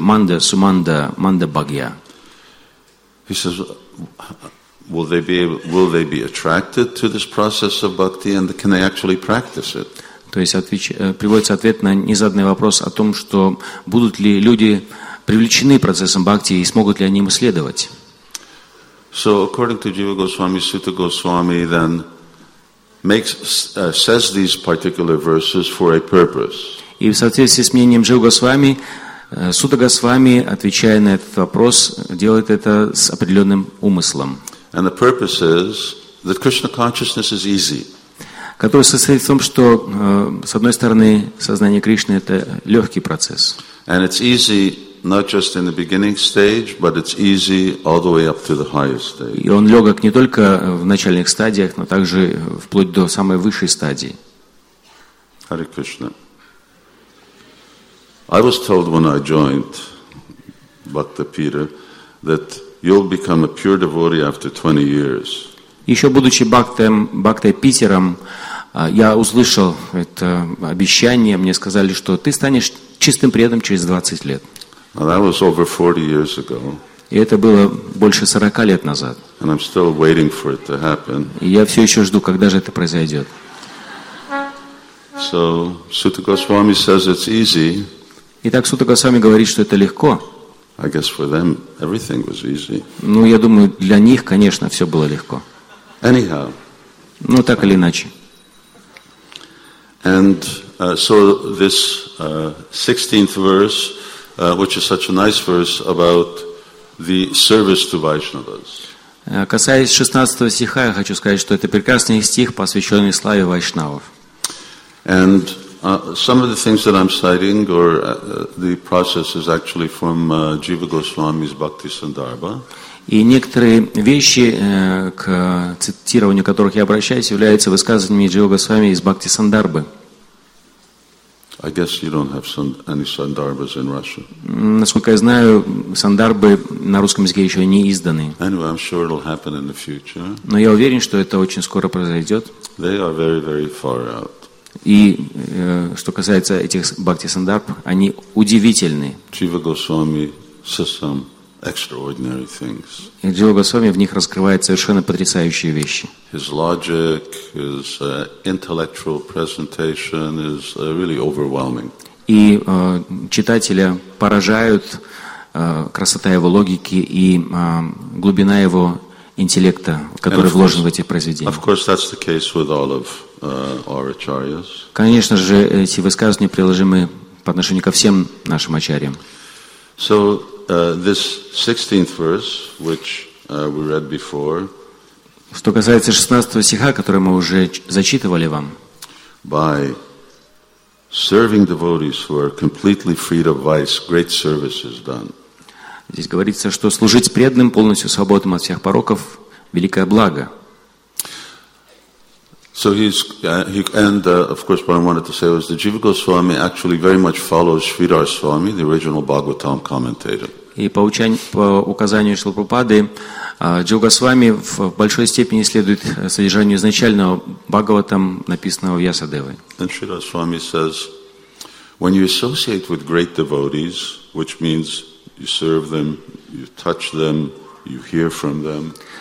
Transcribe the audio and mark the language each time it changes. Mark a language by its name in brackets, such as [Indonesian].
[Sanskrit] Манда, Суманда, Мандабхагья. [English] He says, Will they be attracted to this process of bhakti, and can they actually practice it? [Russian] То есть приводится ответ на незаданный вопрос о том, что будут ли люди привлечены процессом бхакти и смогут ли они им следовать. [English] So according to Jiva Goswami, Sutta Goswami then says these particular verses for a purpose. [Russian] И в соответствии с мнением Джива Госвами, Сутта Госвами, отвечая на этот вопрос, делает это с определенным умыслом. [English] And the purpose is that Krishna consciousness is easy. [Russian] Который состоит в том, что с одной стороны, сознание Кришны это легкий процесс. [English] And it's easy not just in the beginning stage, but it's easy all the way up to the highest stage. [Russian] И он легок не только в начальных стадиях, но также вплоть до самой высшей стадии. [English] Hare Krishna. I was told when I joined Bhakta Peter that you'll become a pure devotee after 20 years. [Russian] Еще будучи Бхактой Питером, я услышал это обещание. Мне сказали, что ты станешь чистым преданным через 20 лет. [English] And that was over 40 years ago. [Russian] И это было больше 40 лет назад. [English] And I'm still waiting for it to happen. [Russian] И я все еще жду, когда же это произойдет. [English] So Sutta Goswami says it's easy. [Russian] Итак, Сутта Госвами говорит, что это легко. [English] I guess for them everything was easy. [Russian] Ну, я думаю, для них, конечно, все было легко. [English] Anyhow. [Russian] Ну, так или иначе. [English] And so this 16th verse, which is such a nice verse about the service to Vaishnavas. [Russian] Касаясь 16 стиха, я хочу сказать, что это прекрасный стих, посвященный славе вайшнавов. [English] And some of the things that I'm citing, or the process, is actually from Jiva Goswami's Bhakti Sandarbha. [Russian] И некоторые вещи, к цитированию которых я обращаюсь, являются высказываниями Джива Госвами из Бхакти Сандарбы. [English] I guess you don't have any Sandarbhas in Russia. [Russian] Насколько я знаю, Сандарбы на русском языке еще не изданы. [English] Anyway, I'm sure it'll happen in the future. [Russian] Но я уверен, что это очень скоро произойдет. [English] They are very, very far out. [Russian] И что касается этих Бхакти Сандарб, они удивительны. [English] Jiva Goswami says some extraordinary things. [Russian] И Jiva Goswami в них раскрывает совершенно потрясающие вещи. [English] His logic, his intellectual presentation is really overwhelming. [Russian] И читателя поражают красота его логики и глубина его интеллекта, который вложен в эти произведения. [English] Of course, that's the case with all of our acharyas. [Russian] Конечно же, эти высказывания приложимы по отношению ко всем нашим ачарьям. [English] So, this 16th verse, which we read before. [Russian] Что касается 16 стиха, который мы уже зачитывали вам. [English] By serving devotees who are completely freed of vice, great service is done. [Russian] Здесь говорится, что служить преданным, полностью свободным от всех пороков, великое благо. [English] So he's of course what I wanted to say was that Jiva Goswami actually very much follows Sridhar Swami, the original Bhagavatam commentator. [Russian] И по указанию Шрилы Прабхупады, Джива Госвами в большой степени следует содержанию изначального Бхагаватам, написанного в Ясадеве. [English] And Sridhar Swami says, when you associate with great devotees, which means you serve them, you touch them, you hear from them.